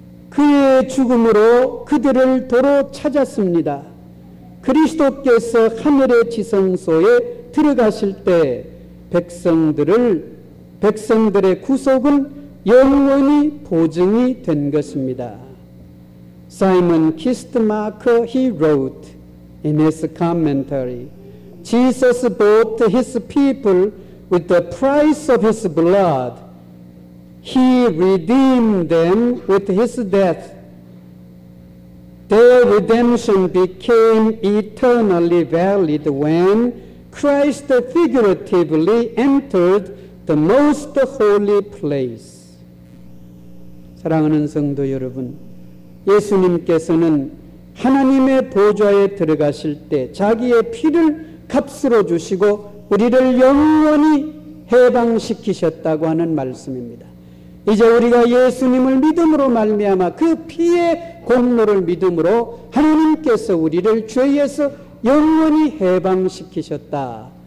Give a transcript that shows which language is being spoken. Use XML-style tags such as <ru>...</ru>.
<ko>그의 죽음으로 그들을 도로 찾았습니다. 그리스도께서 하늘의 지성소에 들어가실 때 백성들의 구속은 영원히 보증이 된 것입니다.</ko> <en>Simon Kistmarker, he wrote in his commentary, Jesus bought his people with the price of his blood. He redeemed them with his death. Their redemption became eternally valid when Christ figuratively entered the most holy place.</en> <ko>사랑하는 성도 여러분, 예수님께서는 하나님의 보좌에 들어가실 때 자기의 피를 값으로 주시고 우리를 영원히 해방시키셨다고 하는 말씀입니다. 이제 우리가 예수님을 믿음으로 말미암아 그 피의 공로를 믿음으로 하나님께서 우리를 죄에서 영원히 해방시키셨다.</ko>